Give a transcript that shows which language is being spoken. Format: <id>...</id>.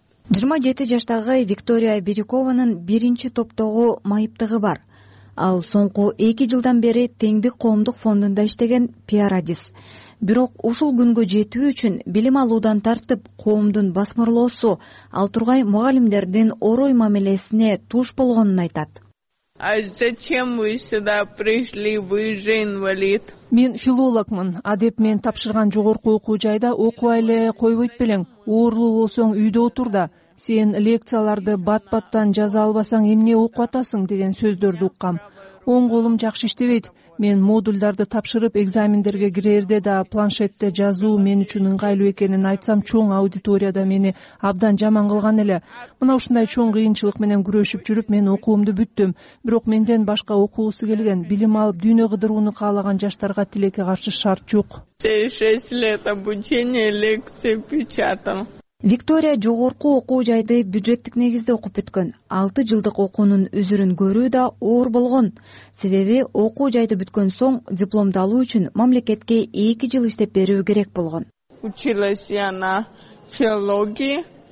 <ky>27 жаштагы Виктория Бирюкованын биринчи топтогу майыптыгы бар. Ал соңку 2 жылдан бери Теңдик коомдук фондунда иштеген пиар-адис. Бирок ушул күнгө жетүү үчүн билим алуудан тартып коомдун басмырлоосу ал тургай мугалимдердин орой мамилесине туш болгонун айтат.</ky> <ru>А зачем вы сюда пришли, вы же инвалид?</ru> <ky>Мен филологмун, а деп мен тапшырган жогорку окуу жайда окуй эле койбойт белең. Оорулуу болсоң үйдө отур да. Сен лекцияларды бат-баттан жаза албасаң эмне окуп атасың деген сөздөрдү уккам. Оң колум жакшы иштебейт. Мен модульдарды тапшырып экзамендерге кирерде да планшетте жазуу мен үчүн ыңгайлуу экенин айтсам, чоң аудиторияда мени абдан жаман кылган эле. Мына ушундай чоң кыйынчылык менен күрөшүп жүрүп, мен окуумду бүттүм. Бирок менден башка окуусу келген, билим алып дүйнө кыдырууну каалаган жаштарга тилекке каршы шарт жок.</ky> <ru>6 лет обучения, лекция печатал.</ru> <ky>Виктория жогорку окуу жайды бюджеттик негизде окуп бүткөн. 6 жылдык окуунун үзүрүн көрүү да оор болгон. Себеби окуу жайды бүткөн соң дипломду алуу үчүн мамлекетке 2 жыл иштеп берүү керек болгон.</ky> <ru>Училась я на филологии.</ru>